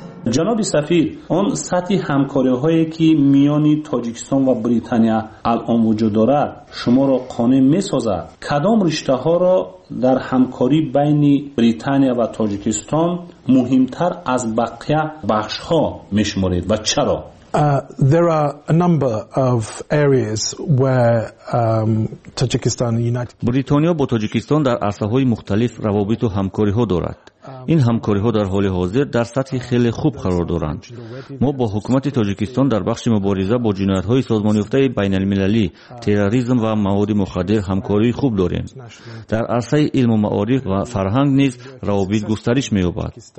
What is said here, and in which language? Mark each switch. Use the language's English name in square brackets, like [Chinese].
[Persian] جناب سفیر، اون سطح همکاری هایی که میانی تاجیکستان و بریتانیا الان وجود دارد شما را قانع می‌سازد؟ کدام رشته ها را در همکاری بین بریتانیا و تاجیکستان مهمتر از بقیه بخش ها می‌شمارید و چرا؟ [English] There are a number of areas where Tajikistan and United [Persian] Kingdom. Britaniya ba Tajikistan dar arsahoi mukhtalif ravabit o hamkariho dorad. این همکاری ها در حال حاضر در سطح خیلی خوب قرار دارند. ما با حکومت تاجیکستان در بخش مبارزه با جنایت های سازمان یافته بین المللی، تروریسم و مواد مخدر همکاری خوب داریم. در عرصه علم و معارف و فرهنگ نیز روابط گسترش می یابد.